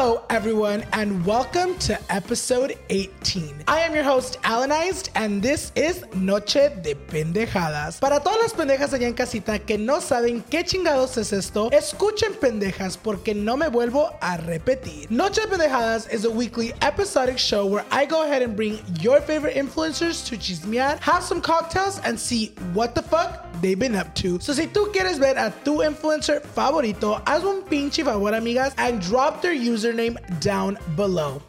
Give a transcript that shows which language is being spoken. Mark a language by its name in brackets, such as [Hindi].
[English] Everyone, and welcome to episode 18. I am your host, Alanized, and this is Noche de Pendejadas. [Spanish] Para todas las pendejas allá en casita que no saben qué chingados es esto, escuchen pendejas porque no me vuelvo a repetir. [English] Noche de Pendejadas is a weekly episodic show where I go ahead and bring your favorite influencers to chismear, have some cocktails, and see what the fuck they've been up to. [Spanish] So si tú quieres ver a tu influencer favorito, haz un pinche favor, amigas, [English] and drop their username down below.